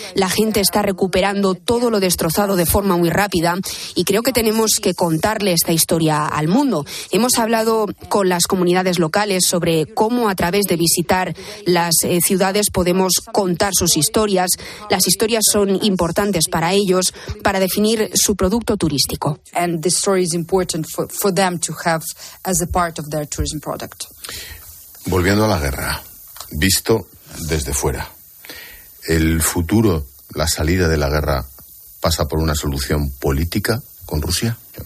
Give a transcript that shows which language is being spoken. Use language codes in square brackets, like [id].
[es] La gente está recuperando todo lo destrozado de forma muy rápida y creo que tenemos que contarle esta historia al mundo. Hemos hablado con las comunidades locales sobre cómo a través de visitar las ciudades podemos contar sus historias. Las historias son importantes para ellos para definir su producto turístico. [en] And the story is important for them to have as a part of their tourism product. [es] Volviendo a la guerra, visto desde fuera, ¿el futuro, la salida de la guerra, pasa por una solución política con Rusia?